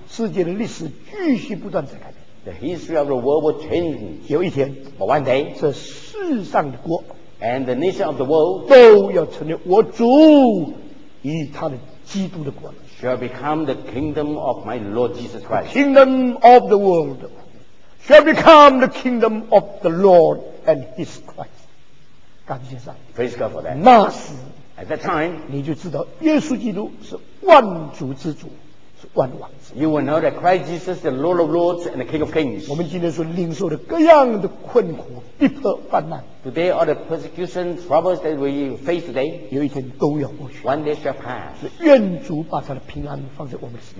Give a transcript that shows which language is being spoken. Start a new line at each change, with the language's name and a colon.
Chinese: 世界的历史继续不断在改变。
English: The history of the world will change.
Chinese: 有一天
English: But one day,
Chinese: 这世上的国
English: and the nation of the world,
Chinese: 都要成为我主与他的基督的国
English: shall become the kingdom of my Lord Jesus Christ. The kingdom of the world shall become the kingdom of the Lord and his Christ.
Chinese: 感谢上帝
English: Praise God for that.
Chinese: 那时
English: At that time,
Chinese: 你就知道耶稣基督是万族之主，是万王之主。
English: You will know that Christ Jesus is the Lord of Lords and the King of Kings.
Chinese: 我们今天所领受的各样的困苦、逼迫、患难
English: ，Today all the persecutions, troubles that we face today,
Chinese: 有一天都要过去。
English: One day shall pass.
Chinese: 是愿主把他的平安放在我们的心。